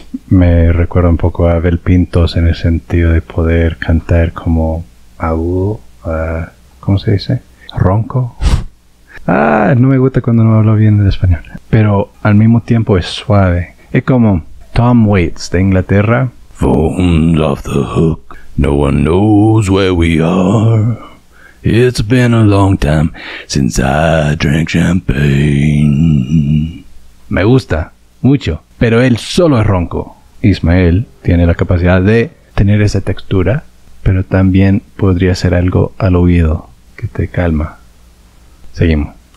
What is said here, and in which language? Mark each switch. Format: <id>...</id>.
<es>Me recuerda un poco a Abel Pintos en el sentido de poder cantar como agudo, ¿cómo se dice? Ronco. Ah, no me gusta cuando no hablo bien el español. Pero al mismo tiempo es suave. Es como Tom Waits de Inglaterra.</es> <en>Phones off the hook, no one knows where we are. It's been a long time since I drank champagne.</en> <es>Me gusta mucho, pero él solo es ronco. Ismael tiene la capacidad de tener esa textura, pero también podría ser algo al oído que te calma. Seguimos.</es>